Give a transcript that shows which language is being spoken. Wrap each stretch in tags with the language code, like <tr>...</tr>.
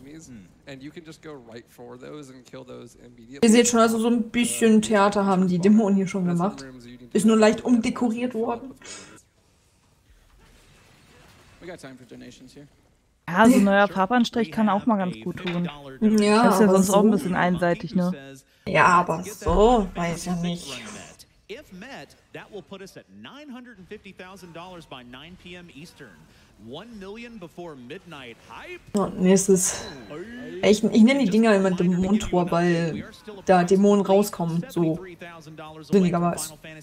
<de>Ihr seht schon, also so ein bisschen Theater haben die Dämonen hier schon gemacht. Ist nur leicht umdekoriert worden. Ja, so ein neuer Farbanstrich kann auch mal ganz gut tun. Ja, das ist ja sonst auch ein bisschen einseitig, ne? Ja, aber so, weiß ich nicht.</de> <en>If met, that will put us at $950,000 by 9 p.m. Eastern. 1 million before midnight.</en> <de>Nächstes. Ich nenne die Dinger immer Dämonentor, weil da Dämonen rauskommen, so sinnigerweise.</de>